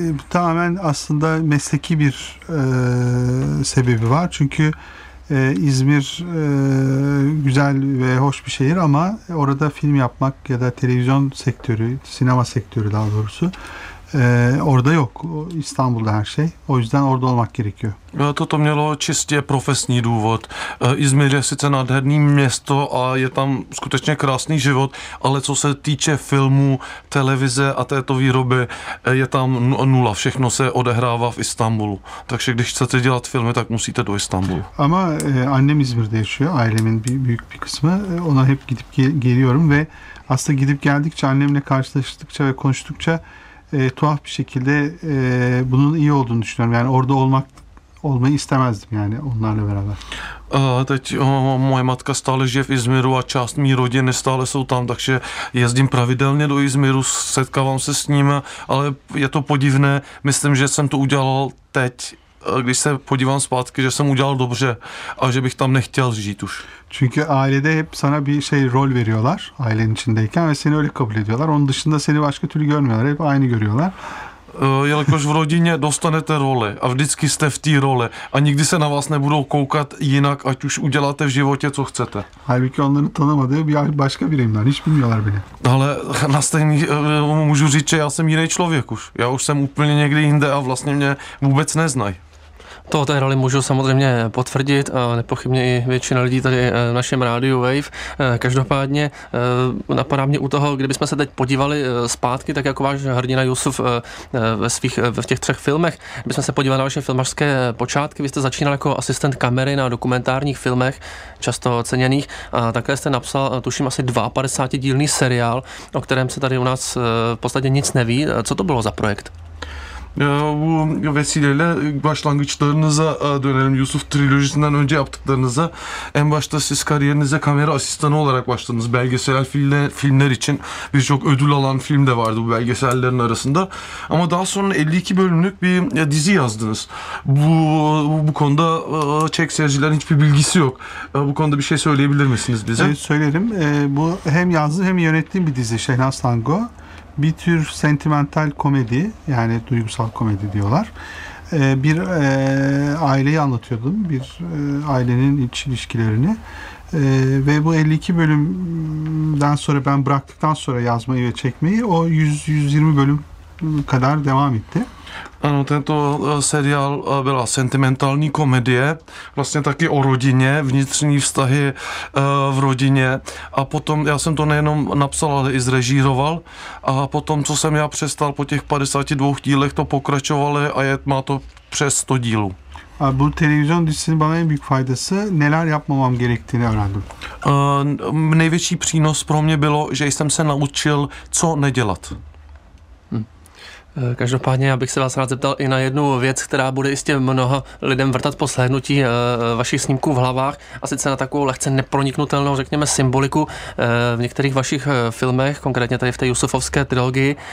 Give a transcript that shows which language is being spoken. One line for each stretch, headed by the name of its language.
Turkish: Tamamen aslında mesleki bir sebebi var. Çünkü İzmir güzel ve hoş bir şehir, ama orada film yapmak ya da televizyon sektörü, sinema sektörü daha doğrusu, orada yok. İstanbul'da her şey. O yüzden orada olmak gerekiyor.
Czech: Toto mělo čistě profesní důvod. İzmir je sice nádherný město a je tam skutečně krásný život, ale co se týče filmů, televize a této výroby, je tam nula. Všechno se odehrává v Istanbulu. Takže když chcete dělat filmy, tak musíte do Istanbulu.
Turkish: Ama annem İzmir'de yaşıyor. Ailemin büyük bir kısmı. Ona hep gidip geliyorum ve aslında gidip geldikçe, annemle karşılaştıkça ve konuştukça tuhaf bir şekilde bunun iyi olduğunu düşünüyorum. Yani orada olmayı istemezdim yani onlarla beraber.
Czech: Teď moje matka stále žije v Izmiru a část mý rodiny stále jsou tam, takže jezdím pravidelně do Izmiru, setkávám se s nimi, ale je to podivné. Myslím, že jsem to udělal teď, když se podívám zpátky, že jsem udělal dobře a že bych tam nechtěl žít už.
Turkish: Çünkü ailede hep sana bir şey rol veriyorlar ailenin içindeyken ve seni öyle kabul ediyorlar. Onun dışında seni başka türlü görmüyorlar. Hep aynı görüyorlar.
Czech: jelikož v rodině dostanete roli a vždycky jste v té roli a nikdy se na vás nebudou koukat jinak, ať už uděláte v životě, co chcete.
Turkish: Halbuki onları tanımadı, bir başka biriyim lan, hiç bilmiyorlar beni.
Czech: Ale na stejný, můžu říct, že já jsem jiný člověk už. Já už jsem úplně někde jinde a vlastně mě vůbec neznají. To té roli můžu samozřejmě potvrdit a nepochybně i většina lidí tady v našem rádiu Wave. Každopádně napadá mě u toho, kdybychom se teď podívali zpátky, tak jako váš hrdina Yusuf v těch třech filmech, kdybychom se podívali na vaše filmařské počátky, vy jste začínal jako asistent kamery na dokumentárních filmech, často ceněných, a takhle jste napsal, tuším, asi 52-dílný seriál, o kterém se tady u nás v podstatě nic neví. Co to bylo za projekt?
Turkish: Bu vesileyle başlangıçlarınıza dönelim. Yusuf trilojisinden önce yaptıklarınıza. En başta siz kariyerinize kamera asistanı olarak başladınız. Belgesel filmler için birçok ödül alan film de vardı bu belgesellerin arasında. Ama daha sonra 52 bölümlük bir dizi yazdınız. Bu konuda Çek seyircilerin hiçbir bilgisi yok. Bu konuda bir şey söyleyebilir misiniz bize? Söylerim. Bu hem yazdığım hem yönettiğim bir dizi Şehnaz Tango. Bir tür sentimental komedi, yani duygusal komedi diyorlar. Bir aileyi anlatıyordum, bir ailenin iç ilişkilerini. Ve bu 52 bölümden sonra ben bıraktıktan sonra yazmayı ve çekmeyi o 100-120 bölüm kadar devam etti.
Czech: Ano, tento seriál byla sentimentální komedie, vlastně taky o rodině, vnitřní vztahy v rodině, a potom já jsem to nejenom napsal, ale i zrežíroval, a potom, co jsem já přestal po těch 52 dílech, to pokračovali a má to přes 100 dílů.
Turkish: A bu televizyon dizisinin bana en büyük faydası neler yapmamam gerektiğini öğrendim.
Czech: Největší přínos pro mě bylo, že jsem se naučil, co nedělat. Každopádně já bych se vás rád zeptal i na jednu věc, která bude jistě mnoha lidem vrtat po slehnutí vašich snímků v hlavách, a sice na takovou lehce neproniknutelnou, řekněme, symboliku v některých vašich filmech, konkrétně tady v té Yusufovské trilogii.